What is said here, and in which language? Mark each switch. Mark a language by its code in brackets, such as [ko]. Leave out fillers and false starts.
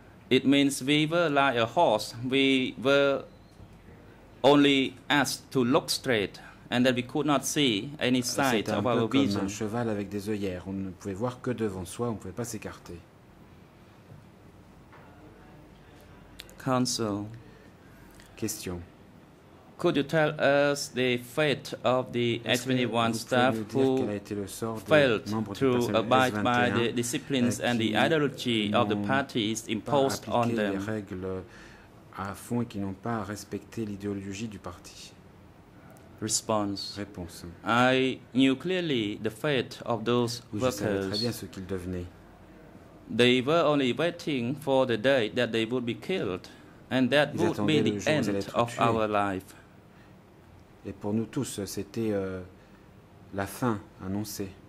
[en] It means we were like a horse. We were only asked to look straight, and that we could not see any sight of our vision. [fr] Un cheval avec des œillères. On ne pouvait voir que devant soi. On ne pouvait pas s'écarter. [en] counsel. Question. Could you tell us the fate of the S21 staff who failed to abide by the disciplines and the ideology of the parties imposed on them? [fr] Les règles à fond et qui n'ont pas respecté l'idéologie du parti. [en] Response. [fr] Réponse. [en] I knew clearly the fate of those workers. [fr] Je savais très bien ce qu'ils devenaient. [en] They were only waiting for the day that they would be killed, and that [fr] ils [en] would be the end of our life. [fr] Et pour nous tous, c'était la fin annoncée.